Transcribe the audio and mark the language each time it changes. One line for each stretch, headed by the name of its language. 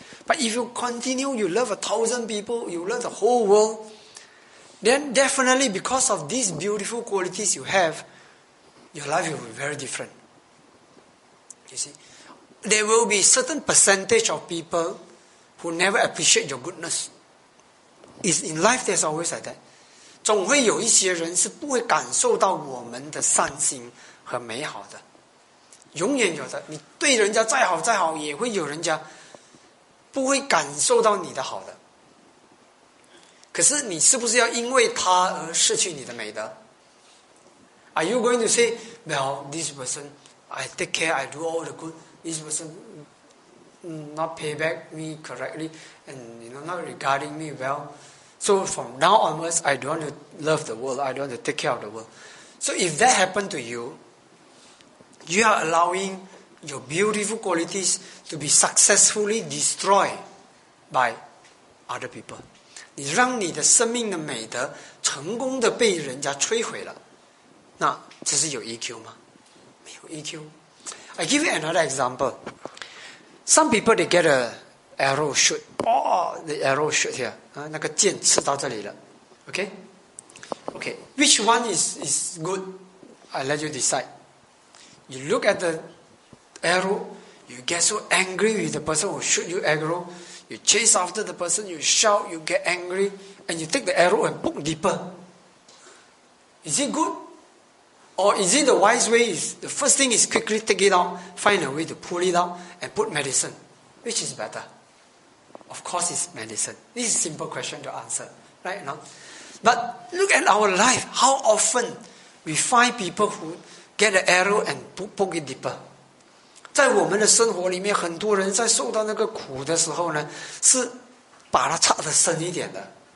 English: But if you continue, you love 1,000 people, you love the whole world, then definitely because of these beautiful qualities you have, your life will be very different. You see, there will be certain percentage of people who never appreciate your goodness. It's in life, there's always like that.
Chinese: 总会有一些人是不会感受到我们的善心和美好的。永远有的，你对人家再好再好，也会有人家不会感受到你的好的。可是你是不是要因为他而失去你的美德？
English: Are you going to say, well, this person, I take care, I do all the good. This person not pay back me correctly and you know, not regarding me well. So from now onwards, I don't want to love the world. I don't want to take care of the world. So if that happened to you, you are allowing your beautiful qualities to be successfully destroyed by other people.
Chinese: 你让你的生命的美德成功的被人家摧毁了。那只是有 EQ 吗？没有 EQ.
English: I give you another example. Some people, they get an arrow shoot. Oh, the arrow shoot here.
Chinese: 那个箭刺到这里了。
English: Okay. Which one is good? I let you decide. You look at the arrow, you get so angry with the person who shoot you arrow, you chase after the person, you shout, you get angry, and you take the arrow and poke deeper. Is it good? Or is it the wise way? The first thing is quickly take it out, find a way to pull it out, and put medicine. Which is better? Of course it's medicine. This is a simple question to answer. Right? No? But look at our life. How often we find people who get an arrow and poke it deeper.
Chinese: 在我们的生活里面，很多人在受到那个苦的时候呢，是把它插得深一点的。